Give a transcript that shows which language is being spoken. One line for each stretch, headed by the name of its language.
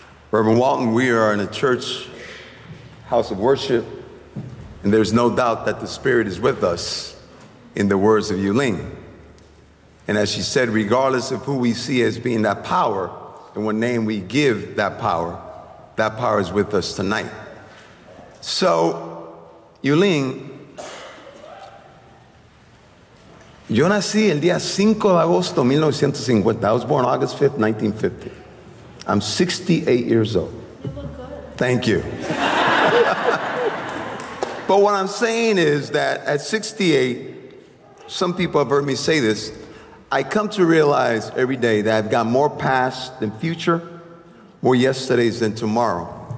English: Reverend Walton, we are in a church house of worship, and there's no doubt that the Spirit is with us in the words of Yulín. And as she said, regardless of who we see as being that power, and what name we give that power is with us tonight.
Spanish: So, Yulín, yo nací el día 5 de agosto 1950.
English: I was born August 5th, 1950. I'm 68 years old. You look good. Thank you. But what I'm saying is that at 68, some people have heard me say this, I come to realize every day that I've got more past than future, more yesterdays than tomorrow.